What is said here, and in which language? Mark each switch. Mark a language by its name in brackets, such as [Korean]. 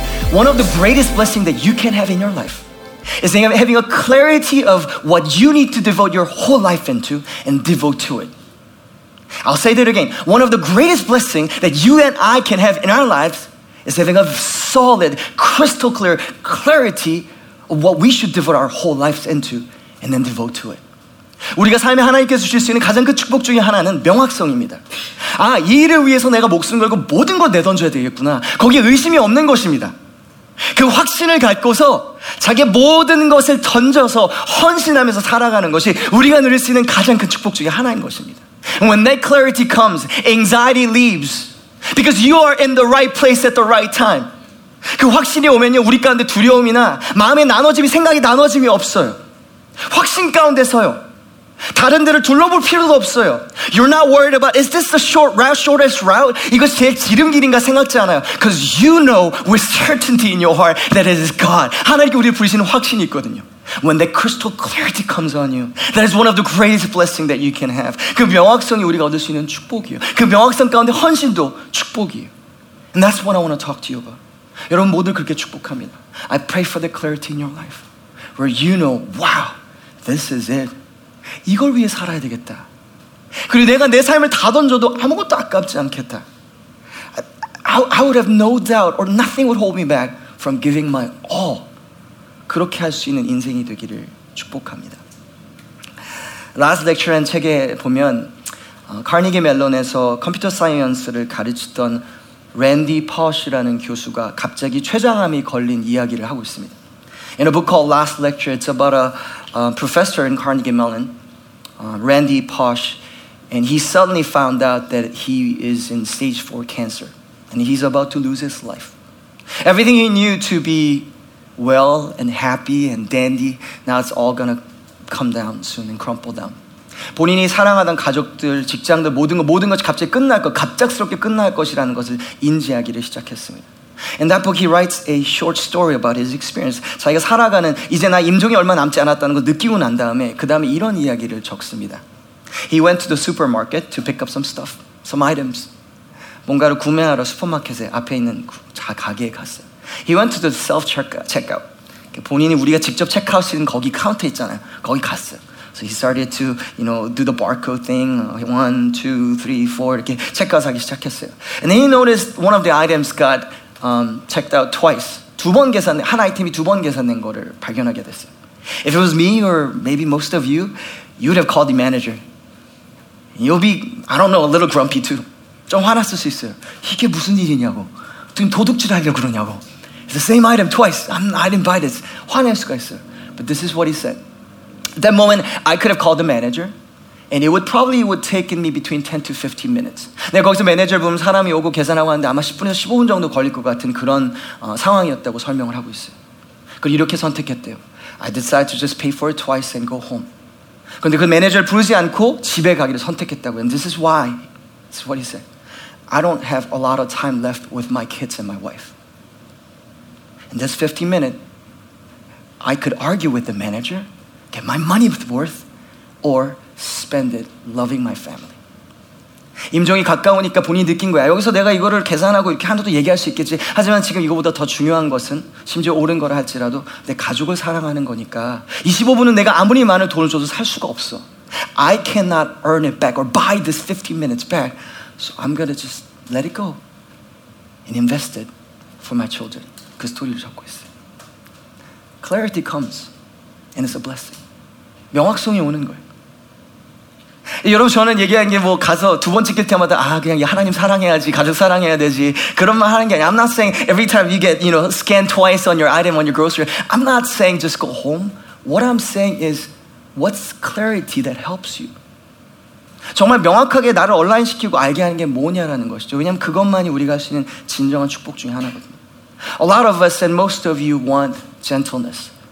[English] One of the greatest blessings that you can have in your life is having a clarity of what you need to devote your whole life into and devote to it. I'll say that again. One of the greatest blessings that you and I can have in our lives is having a solid, crystal clear clarity of what we should devote our whole lives into and then devote to it. [Korean] 우리가 삶에 하나님께서 주실 수 있는 가장 큰 축복 중에 하나는 명확성입니다. 아, 이 일을 위해서 내가 목숨 걸고 모든 걸 내던져야 되겠구나. 거기에 의심이 없는 것입니다. 그 확신을 갖고서 자기의 모든 것을 던져서 헌신하면서 살아가는 것이 우리가 누릴 수 있는 가장 큰 축복 중에 하나인 것입니다. [English] When that clarity comes, anxiety leaves. Because you are in the right place at the right time. [Korean] 그 확신이 오면요, 우리 가운데 두려움이나 마음의 나눠짐이, 생각이 나눠짐이 없어요. 확신 가운데서요. 다른 데를 둘러볼 필요도 없어요. [English] You're not worried about, is this the short route, shortest route? [Korean] 이것이 제일 지름길인가 생각지 않아요. [English] Because you know with certainty in your heart that it is God. [Korean] 하나님께 우리를 부르시는 확신이 있거든요. [English] When that crystal clarity comes on you, that is one of the greatest blessings that you can have. [Korean] 그 명확성이 우리가 얻을 수 있는 축복이에요. 그 명확성 가운데 헌신도 축복이에요. [English] And that's what I want to talk to you about. [Korean] 여러분 모두 그렇게 축복합니다. [English] I pray for the clarity in your life where you know, wow, this is it. [Korean] 이걸 위해 살아야 되겠다. 그리고 내가 내 삶을 다 던져도 아무것도 아깝지 않겠다. [English] I would have no doubt or nothing would hold me back from giving my all. [Korean] 그렇게 할 수 있는 인생이 되기를 축복합니다. Last lecture라는 책에 보면 카니기 멜론에서 컴퓨터 사이언스를 가르치던 랜디 퍼시라는 교수가 갑자기 췌장암이 걸린 이야기를 하고 있습니다. [English] In a book called Last Lecture, it's about a professor in Carnegie Mellon, Randy Posh, and he suddenly found out that he is in stage 4 cancer, and he's about to lose his life. Everything he knew to be well and happy and dandy, now it's all gonna come down soon and crumple down. [Korean] 본인이 사랑하던 가족들, 직장들, 모든 것이 갑자기 끝날 것, 갑작스럽게 끝날 것이라는 것을 인지하기를 시작했습니다. [English] In that book, he writes a short story about his experience. [Korean] 자기가 살아가는, 이제 나 임종이 얼마 남지 않았다는 걸 느끼고 난 다음에, 그 다음에 이런 이야기를 적습니다. [English] He went to the supermarket to pick up some stuff, some items. [Korean] 뭔가를 구매하러 슈퍼마켓에 앞에 있는 가게에 갔어요. [English] He went to the self-checkout. [Korean] 본인이 우리가 직접 체크아웃 시는 거기 카운터 있잖아요. 거기 갔어요. [English] So he started to, you know, do the barcode thing. [Korean] 1, 2, 3, 4, 이렇게 체크아웃 하기 시작했어요. [English] And then he noticed one of the items got checked out twice. [Korean] 두 번 계산된, 한 아이템이 두 번 계산된 거를 발견하게 됐어요. [English] If it was me or maybe most of you, you'd have called the manager. You'll be, I don't know, a little grumpy too. [Korean] 좀 화났을 수 있어요. 이게 무슨 일이냐고. 지금 도둑질 하려고 그러냐고. [English] It's the same item twice. I didn't buy this. [Korean] 화낼 수가 있어요. [English] But this is what he said. At that moment, I could have called the manager. And it would probably would take me between 10 to 15 minutes. [Korean] 내가 거기서 매니저를 보면 사람이 오고 계산하고 하는데 아마 10분에서 15분 정도 걸릴 것 같은 그런 상황이었다고 설명을 하고 있어요. 그리고 이렇게 선택했대요. [English] I decided to just pay for it twice and go home. [Korean] 그런데 그 매니저를 부르지 않고 집에 가기를 선택했다고요. [English] And this is why, this is what he said. I don't have a lot of time left with my kids and my wife. In this 15 minutes, I could argue with the manager, get my money worth, or spend it loving my family. [Korean] 임종이 가까우니까 본인이 느낀 거야. 여기서 내가 이거를 계산하고 이렇게 한두 번 얘기할 수 있겠지. 하지만 지금 이거보다 더 중요한 것은 심지어 옳은 거라 할지라도 내 가족을 사랑하는 거니까 25분은 내가 아무리 많은 돈을 줘도 살 수가 없어. [English] I cannot earn it back or buy this 15 minutes back. So I'm gonna just let it go and invest it for my children. [Korean] 그 스토리를 적고 있어요. [English] Clarity comes and it's a blessing. [Korean] 명확성이 오는 거예요. 여러분 저는 얘기한 게 뭐 가서 두 번 찍힐 때마다 아 그냥 하나님 사랑해야지 가족 사랑해야 되지 그런 말 하는 게 아니에요. [English] I'm not saying every time you get you know scanned twice on your item on your grocery. I'm not saying just go home. What I'm saying is what's clarity that helps you? [Korean] 정말 명확하게 나를 온라인 시키고 알게 하는 게 뭐냐라는 것이죠. 왜냐하면 그것만이 우리가 할 수 있는 진정한 축복 중에 하나거든요. [English] A lot of us and most of you want gentleness.